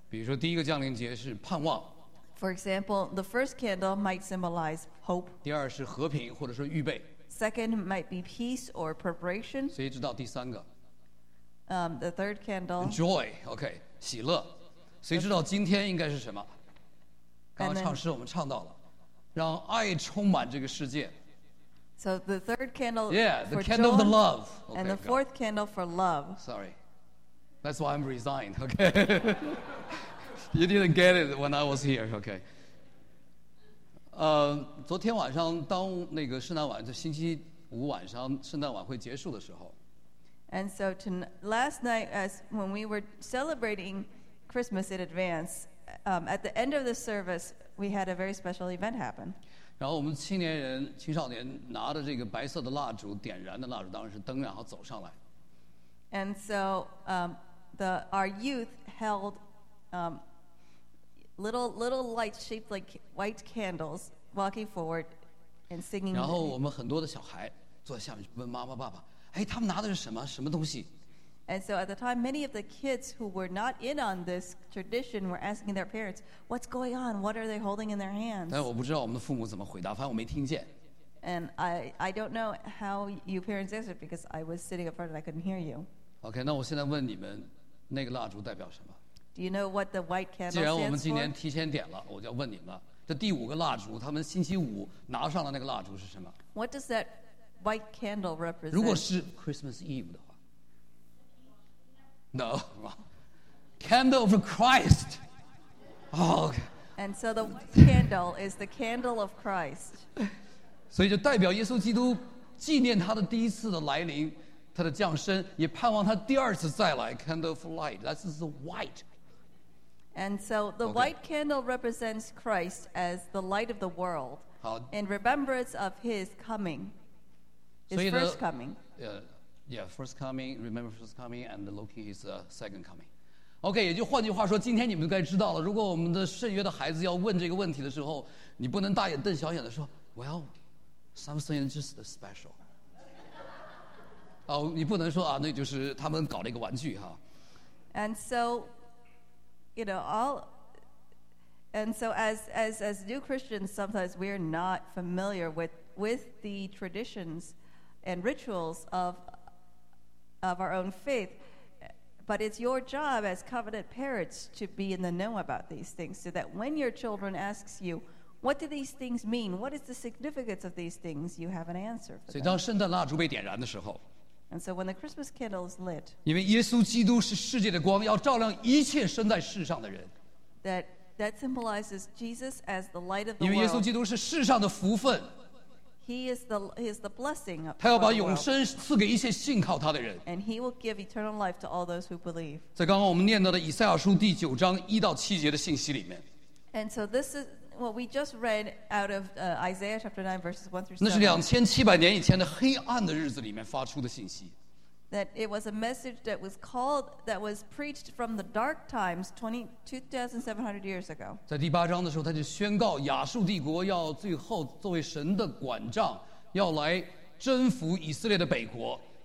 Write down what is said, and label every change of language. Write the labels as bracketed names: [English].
[Chinese] 比如说，第一个降临节是盼望。 [English] For example, the first candle might symbolize hope. [Chinese] 第二是和平，或者说预备。 [English] Second might be peace or preparation. [Chinese] 谁知道第三个？ [English] The third candle. Joy, okay, 喜乐。 [Chinese] 谁知道今天应该是什么？刚刚唱诗我们唱到了，让爱充满这个世界。 [English] So the third candle. Yeah, the candle of the love. Okay, and the fourth candle for love. Sorry, that's why I'm resigned. Okay. You didn't get it when I was here, okay? [Chinese] 昨天晚上当那个圣诞晚，就星期五晚上圣诞晚会结束的时候。 [English] And so last night, as when we were celebrating Christmas in advance, at the end of the service, we had a very special event happen. [Chinese] 然后我们青少年拿着这个白色的蜡烛，点燃的蜡烛，当然是灯，然后走上来。 [English] And so our youth held little lights shaped like white candles walking forward and singing. [Chinese] 然后我们很多的小孩坐在下面问妈妈爸爸，哎，他们拿的是什么什么东西？ [English] And so at the time, many of the kids who were not in on this tradition were asking their parents, what's going on? What are they holding in their hands? [Chinese] 但我不知道我们的父母怎么回答，反正我没听见。 [English] And I don't know how you parents answered because I was sitting up front and I couldn't hear you. [Chinese] Okay, 那我现在问你们，那个蜡烛代表什么？ [English] Do you know what the white candle stands for? [Chinese] 既然我们今年提前点了，我就要问你们了。这第五个蜡烛，他们星期五拿上了那个蜡烛是什么？ [English] What does that white candle represent? [Chinese] 如果是 [English] Christmas Eve [Chinese] 的话， [English] No, candle of Christ. Okay. And so the candle is the candle of Christ. [Chinese] 所以就代表耶稣基督纪念他的第一次的来临，他的降生，也盼望他第二次再来。 [English] Candle of light. That is the white. And so the white candle represents Christ as the light of the world in remembrance of his coming, his first coming. Remember first coming and looking his second coming. [Chinese] Okay, 也就换句话说，今天你们该知道了，如果我们的圣约的孩子要问这个问题的时候，你不能大眼瞪小眼的说 [English] well, something is just special. [Chinese] 你不能说啊，那就是他们搞了一个玩具哈。 [English] And so,You know, all, and so as new Christians, sometimes we're not familiar with the traditions and rituals of our own faith. But it's your job as covenant parents to be in the know about these things so that when your children asks you, what do these things mean? What is the significance of these things? You have an answer for them. [Chinese] 所以当圣诞蜡烛被点燃的时候， [English] And so when the Christmas candle is lit, [Chinese] 因为耶稣基督是世界的光，要照亮一切生在世上的人。 [English] That symbolizes Jesus as the light of the world. [Chinese] 因为耶稣基督是世上的福分。 [English] He is the blessing of the world. [Chinese] 他要把永生赐给一切信靠他的人。 [English] And he will give eternal life to all those who believe. [Chinese] 在刚刚我们念到的以赛亚书第九章一到七节的信息里面。 [English] And so this is what we just read out of Isaiah chapter 9 verses 1 through 7. [Chinese] 那是2700年以前的黑暗的日子里面发出的信息。 [English] That it was a message that was preached from the dark times 2700 years ago. [Chinese] 在第八章的时候，他就宣告亚述帝国要最后作为神的管杖，要来征服以色列的北国。